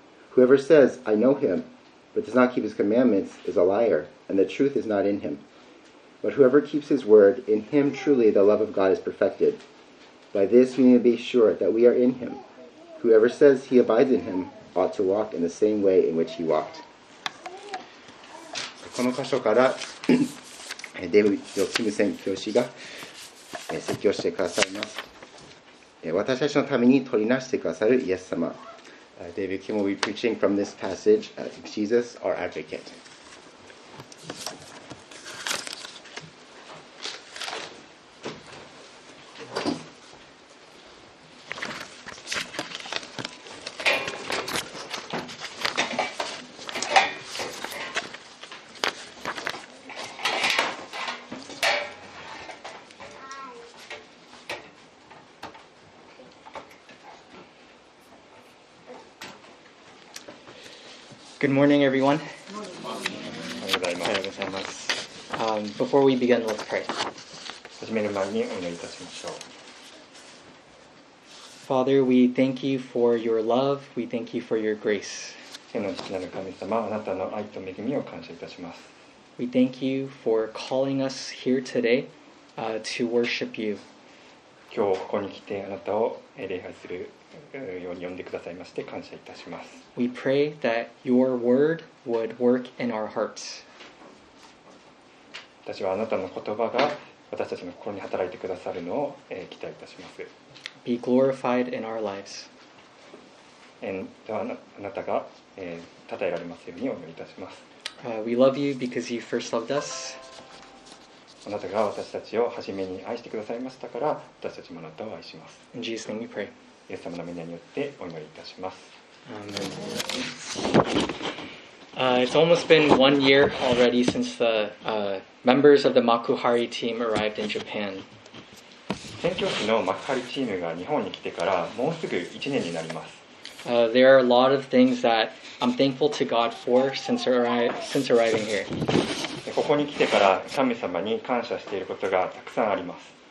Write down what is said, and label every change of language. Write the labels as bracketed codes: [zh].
[en] Whoever says, I know him, but does not keep his commandments, is a liar, and the truth is not in him. But whoever keeps his word, in him truly the love of God is perfected. By this we may be sure that we are in him. Whoever says he abides in him ought to walk in the same way in which he walked. [ja] この箇所からデビッド・キム宣教師が説教してくださいます。私たちのために取りなしてくださるイエス様。 [en] David Kim will be preaching from this passage, Jesus, our advocate. Good morning, everyone. Good morning. before we begin, let's pray. [ja] 始める前にお祈りいたしましょう。 [en] Father, we thank you for your love. We thank you for your grace. [ja] 天の父なる神様、あなたの愛と恵みを感謝いたします。 [en] We thank you for calling us here today, to worship you. [ja] 今日ここに来てあなたを礼拝するように呼んでくださいまして感謝いたします。 [en] We pray that your word would work in our hearts. [ja] 私はあなたの言葉が私たちの心に働いてくださるのを期待いたします。 [en] Be glorified in our lives. And [ja] あなたが讃えられますようにお祈りいたします。 [en] We love you because you first loved us. [ja] あなたが私たちを初めに愛してくださいましたから、私たちもあなたを愛します。 [en] In Jesus' name we pray. [ja] イエス様の御名によってお祈りいたします。 [en] Amen. It's almost been 1 year already since the members of the Makuhari team arrived in Japan. [ja] 宣教師のマクハリチームが日本に来てからもうすぐ1年になります。 [en] There are a lot of things that I'm thankful to God for since arriving here. [ja] ここに来てから神様に感謝していることがたくさんあります。